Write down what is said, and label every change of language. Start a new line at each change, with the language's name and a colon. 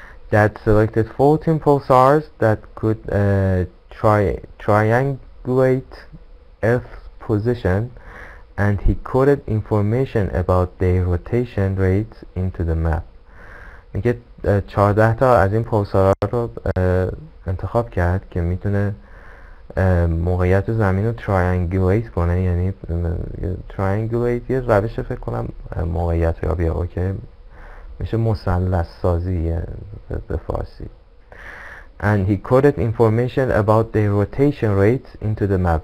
English: That selected 14 pulsars that could triangulate Earth's position and he coded information about their rotation rates into the map.
Persian: میگه 14 تا از این پولسار رو انتخاب کرد که میتونه موقعیت زمین رو تراینگولیت کنه، یعنی تراینگولیت یه روش فکر کنم موقعیت رو بیا اوکی میشه مثلث سازی به فارسی.
English: And he coded information about the rotation rates into the map.